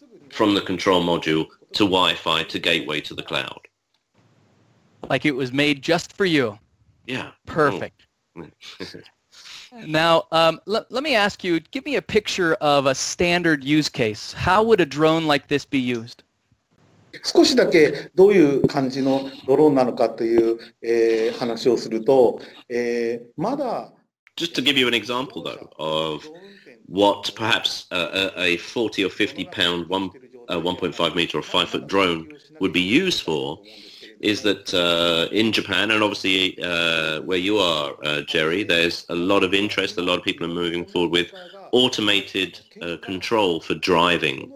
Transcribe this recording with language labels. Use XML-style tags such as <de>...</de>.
<en>from the control module to Wi-Fi to gateway to the cloud. Like it was made just for you. Yeah. Perfect. Now, let me ask you, give me a picture of a standard use case. How would a drone like this be used?</en> <ja>少しだけどういう感じのドローンなのかという、話をすると、まだ…</ja> <en>Just to give you an example, though, of what perhaps a 40 or 50 pound one... a 1.5 meter or 5 foot drone would be used for is that in Japan, and obviously where you are, Jerry, there's a lot of interest, a lot of people are moving forward with automated control for driving.</en>